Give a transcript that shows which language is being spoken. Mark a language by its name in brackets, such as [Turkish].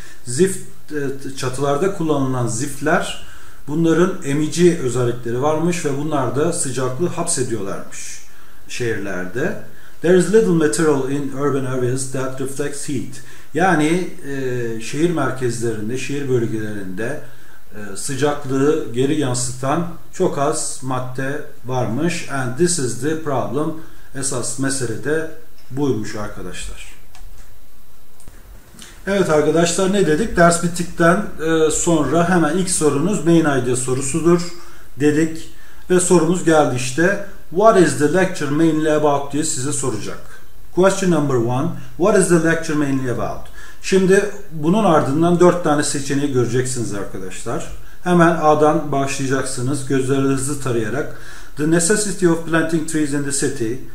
[Turkish] Zift çatılarda kullanılan ziftler, bunların emici özellikleri varmış ve bunlar da sıcaklığı hapsediyorlarmış şehirlerde. [English] There is little material in urban areas that reflects heat. [Turkish] Yani şehir merkezlerinde, şehir bölgelerinde sıcaklığı geri yansıtan çok az madde varmış. [English] And this is the problem. [Turkish] Esas mesele de buymuş arkadaşlar. Evet arkadaşlar, ne dedik? Ders bittikten sonra hemen ilk sorunuz main idea sorusudur dedik. Ve sorumuz geldi işte. [English] What is the lecture mainly about [Turkish] diye size soracak. [English] Question number one, what is the lecture mainly about? [Turkish] Şimdi bunun ardından 4 tane seçeneği göreceksiniz arkadaşlar. Hemen A'dan başlayacaksınız, gözlerinizi hızlı tarayarak. [English] The necessity of planting trees in the city.